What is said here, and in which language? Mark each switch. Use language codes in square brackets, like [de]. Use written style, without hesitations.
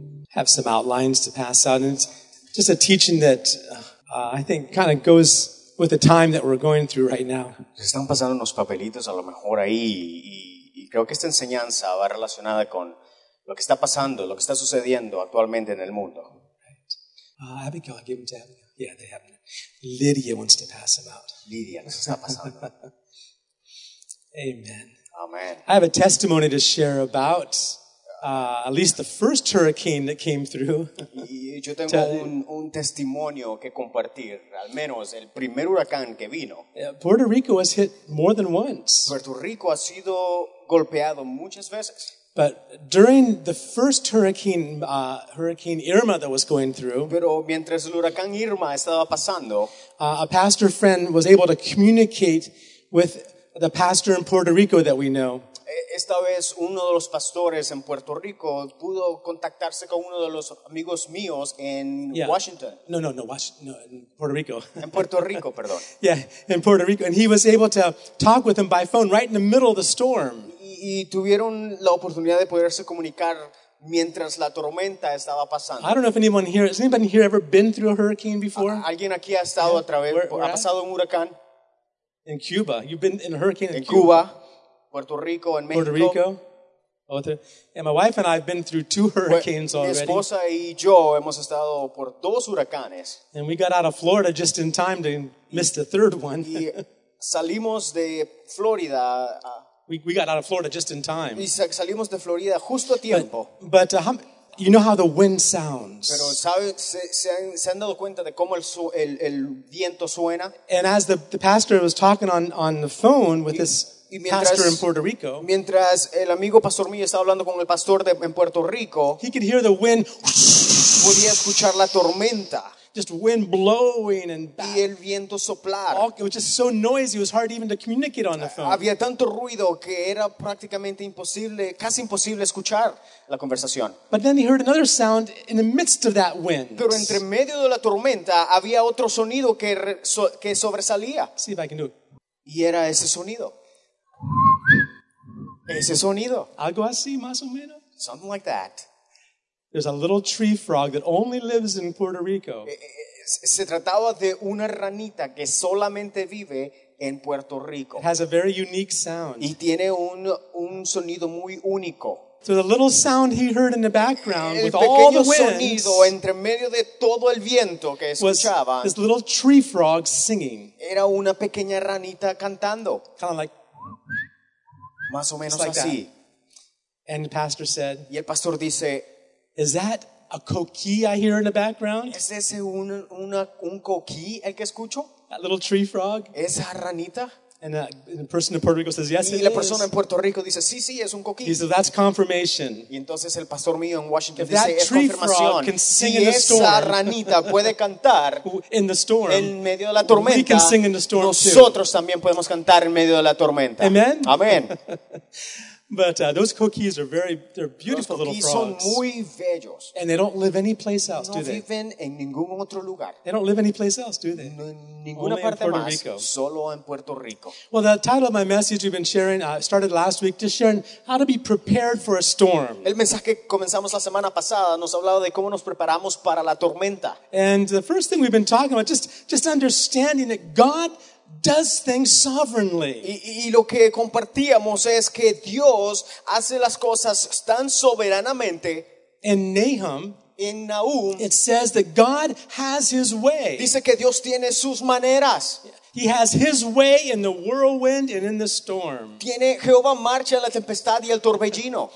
[en] Have some outlines to pass out, and it's just a teaching that I think kind of goes with the time that we're going through right now. [es] Se están pasando unos papelitos a lo mejor ahí, y creo que esta enseñanza va relacionada con lo que está pasando, lo que está sucediendo actualmente en el mundo. [en] Abigail, give them to Abigail. Yeah, they have. Lydia wants to pass them out. [es] Lydia, ¿qué está pasando? [en] Amen. Amen. I have a testimony to share about. At least the first hurricane that came through. [es] Yo tengo un testimonio que compartir, al menos el primer huracán que vino. [en] Puerto Rico was hit more than once. [es] Puerto Rico ha sido golpeado muchas veces. [en] But during the first hurricane, Hurricane Irma that was going through, [es] pero mientras el huracán Irma estaba pasando, [en] a pastor friend was able to communicate with the pastor in Puerto Rico that we know. [es] Esta vez uno de los pastores en Puerto Rico pudo contactarse con uno de los amigos míos en [en] yeah. Washington. [es] No, en Puerto Rico. En Puerto Rico, perdón. [en] Yeah, in Puerto Rico. And he was able to talk with him by phone right in the middle of the storm. [es] Y tuvieron la oportunidad de poderse comunicar mientras la tormenta estaba pasando. [en] I don't know if anyone here, has anybody here ever been through a hurricane before? [es] ¿Alguien aquí ha estado yeah. a través, [en] where [es] ha pasado un huracán? [en] In Cuba. You've been in a hurricane in Cuba. Cuba. [es] Puerto Rico, en Puerto Mexico. Rico. [en] Oh, and my wife and I have been through two hurricanes already. [es] Mi esposa y yo hemos estado por dos huracanes. [en] And we got out of Florida just in time to miss the third one. [es] Y salimos de Florida. [en] We got out of Florida just in time. [es] Y salimos de Florida justo a tiempo. [en] But you know how the wind sounds. [es] Pero se han dado cuenta de cómo el viento suena. [en] And as the pastor was talking on the phone with this pastor in Puerto Rico. [es] Mientras el amigo pastor mío estaba hablando con el pastor en Puerto Rico, [en] he could hear the wind. [es] Podía escuchar la tormenta. [en] Just wind blowing and [es] y el viento soplar. [en] All, it was just so noisy; it was hard even to communicate on the phone. [es] Había tanto ruido que era prácticamente imposible, casi imposible escuchar la conversación. [en] But then he heard another sound in the midst of that wind. [es] Pero entre medio de la tormenta había otro sonido que sobresalía. [en] See if I can do it. [es] Y era ese sonido. Ese sonido. Algo así, más o menos. [en] Something like that. There's a little tree frog that only lives in Puerto Rico. [es] Se trataba de una ranita que solamente vive en Puerto Rico. [en] It has a very unique sound. [es] Y tiene un sonido muy único. [en] So the little sound he heard in the background [es] el [en] with all the winds. [es] El pequeño sonido entre medio de todo el viento que escuchaban. [en] This little tree frog singing. [es] Era una pequeña ranita cantando. [en] Kind of like. [es] Más o menos [en] like [es] así. [en] That. And the pastor said, [es] y el pastor dice, [en] is that a coqui I hear in the background? [es] ¿Es ese un coqui el que escucho? [en] That little tree frog? [es] ¿Esa ranita? [en] And the person in Puerto Rico says, yes, it is. [es] Y la persona en Puerto Rico dice, sí, sí, es un coquí. [en] He says, that's confirmation. [es] Y entonces el pastor mío en Washington dice, es confirmación. [en] Can sing in the storm, [es] si esa ranita puede cantar [en] in the storm, [es] en medio de la tormenta, [en] we can sing in the storm [es] nosotros [en] too. [es] También podemos cantar en medio de la tormenta. Amen. Amen. [en] But those coquís are very, they're beautiful little frogs. [es] Los coquís son muy bellos. [en] And they don't live any place else, do they? [es] No viven en ningún otro lugar. [en] They don't live any place else, do they? [es] No, ninguna parte [en] más. Only in Puerto Rico. [es] Solo en Puerto Rico. [en] Well, the title of my message we've been sharing, started last week, just sharing how to be prepared for a storm. [es] El mensaje que comenzamos la semana pasada nos hablaba de cómo nos preparamos para la tormenta. [en] And the first thing we've been talking about, just understanding that God does things sovereignly. [es] Y lo que compartíamos es que Dios hace las cosas tan soberanamente. [en] In Nahum, [es] en Nahum, [en] it says that God has his way. [es] Dice que Dios tiene sus maneras. [en] He has his way in the whirlwind and in the storm. [es] Tiene Jehová marcha en la tempestad y el torbellino.